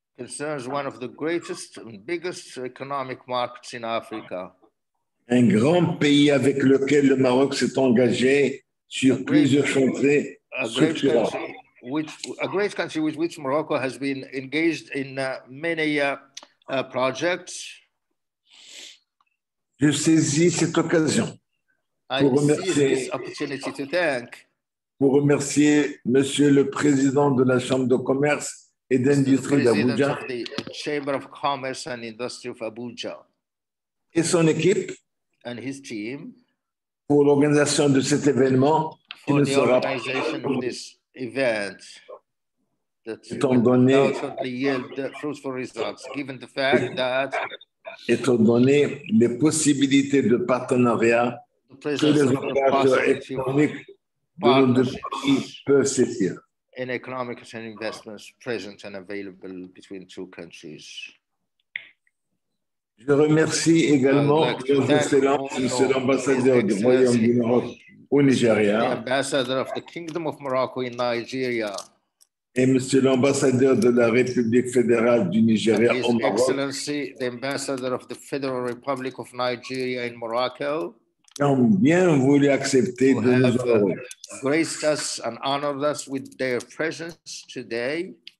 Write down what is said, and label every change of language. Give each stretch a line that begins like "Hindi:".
English: Concerns one of the greatest and biggest economic markets in Africa.
French: Un grand pays avec lequel le Maroc s'est engagé sur plusieurs chantiers
English: a great country with which Morocco has been engaged in many projects.
French: Je saisis cette occasion pour remercier
English: this opportunity to thank
French: pour remercier Monsieur le Président de la Chambre de Commerce et d'Industrie d'Abuja,
English: the Chamber of Commerce and Industry of Abuja
French: et son équipe
English: and his team
French: pour l'organisation de cet événement qui ne sera pas pour
English: this event
French: that étant donné
English: yield fruitful results, given the fact that
French: étant donné les possibilités de partenariat que les opérateurs économiques de nos deux pays peuvent saisir.
English: In economic and investments present and available between two countries.
French: Je remercie également votre excellence, Monsieur l'Ambassadeur du Royaume du Maroc au Nigeria.
English: The Ambassador of the Kingdom of Morocco in Nigeria.
French: Et Monsieur l'Ambassadeur de la République fédérale du Nigeria au Maroc.
English: His Excellency, the Ambassador of the Federal Republic of Nigeria in Morocco.
French: Qui ont bien voulu accepter de nous honorer.
English: Graced us and honored us with their presence today.